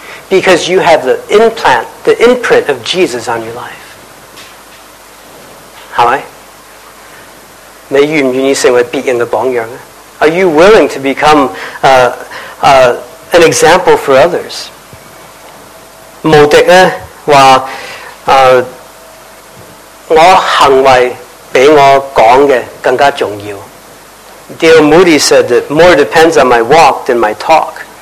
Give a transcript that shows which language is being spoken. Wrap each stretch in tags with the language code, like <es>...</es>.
<en>Because you have the implant, the imprint of Jesus on your life. Are you willing to become an example for others?</en> <zh>目的呢,说, 我行为比我讲的更加重要.</zh> <en>Dale Moody said that more depends on my walk than my talk.</en>